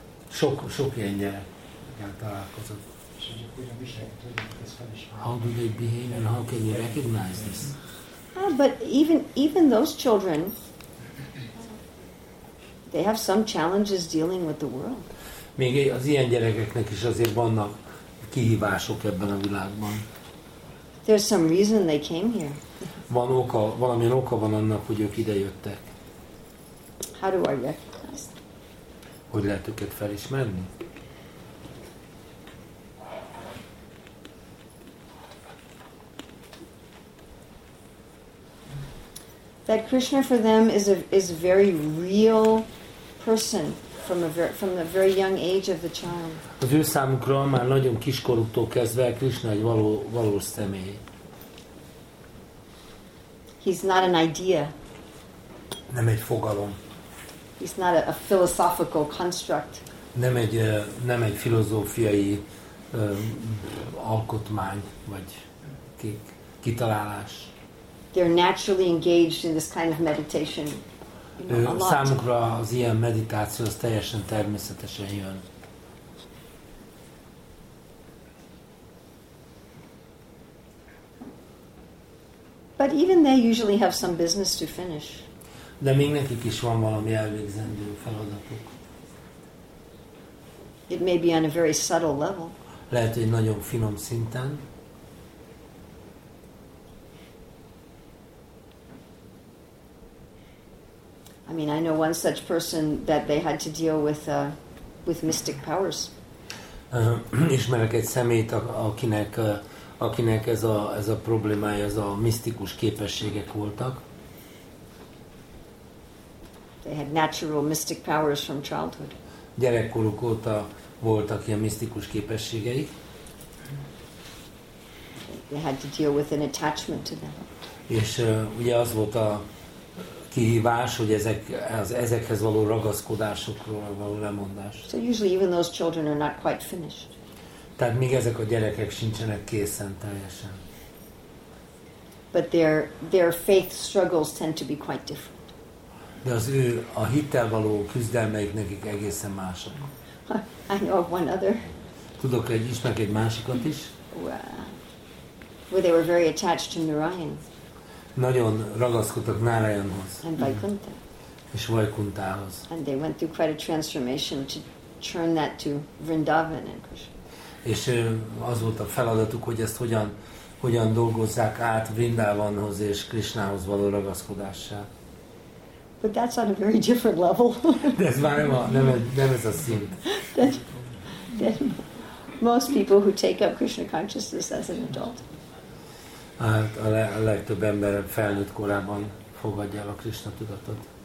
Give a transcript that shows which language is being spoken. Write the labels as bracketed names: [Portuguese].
[Hungarian] Sok ilyen gyerekkel találkozott. [English] How do they behave, and how can you recognize this? Oh, but even those children. They have some challenges dealing with the world. [Hungarian] Még az ilyen gyerekeknek is azért vannak kihívások ebben a világban. [English] There's some reason they came here. [Hungarian] Valamilyen oka van annak, hogy ők ide jöttek. [English] How do I recognize them? [Hungarian] Hogy lehet őket felismerni? [English] That Krishna for them is a very real person from the very young age of the child. [Hungarian] Az ő számukra már nagyon kiskorúktól kezdve Krishna egy valós személy. [English] He's not an idea. [Hungarian] Nem egy fogalom. [English] He's not a philosophical construct. [Hungarian] Nem egy filozófiai alkotmány vagy kitalálás. [English] They're naturally engaged in this kind of meditation. [Hungarian] Ő számukra az ilyen meditáció az teljesen természetesen jön. [English] But even they usually have some business to finish. [Hungarian] De még nekik is van valami elvégzendő feladatuk. [English] It may be on a very subtle level. [Hungarian] Lehet, hogy nagyon finom szinten. [English] I mean, I know one such person that they had to deal with mystic powers. [Hungarian] Ismerek egy személyt, akinek ez a problémája, ez a misztikus képességek voltak. [English] They had natural mystic powers from childhood. [Hungarian] Gyerekkoruk óta voltak ilyen misztikus képességeik. [English] They had to deal with an attachment to them. [Hungarian] És ugye az volt a kihívás, hogy ezekhez való ragaszkodásokról való lemondás. [English] So usually even those children are not quite finished. [Hungarian] Tehát még ezek a gyerekek sincsenek készen teljesen. [English] But their faith struggles tend to be quite different. [Hungarian] De az ő a hittel való küzdelmeik nekik egészen mások. [English] I know of one other. [Hungarian] Tudok egy ismerek egy másikat is. [English] Where they were very attached to Narayan. [Hungarian] Nagyon ragaszkodtak Narayanhoz. [English] And Vaikuntha. [Hungarian] És Vaikunthához. [English] And they went through quite a transformation to turn that to Vrindavan and Krishna. [Hungarian] És az volt a feladatuk, hogy ezt hogyan dolgozzák át Vrindavanhoz és Krishnahoz való ragaszkodássá. [English] But that's on a very different level. [Hungarian] De ez már nem ez a szint. [English] Then most people who take up Krishna consciousness as an adult. [Hungarian] Hát a legtöbb ember felnőtt korában fogadja el a Krishna tudatot.